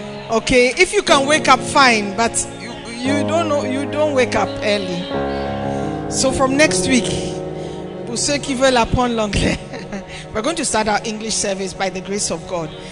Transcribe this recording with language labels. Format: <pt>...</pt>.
<en>Okay, if you can wake up, fine, but you don't wake up early. So from next week,</en> <fr>pour ceux qui veulent apprendre l'anglais,</fr> <en>We're going to start our English service by the grace of God.</en>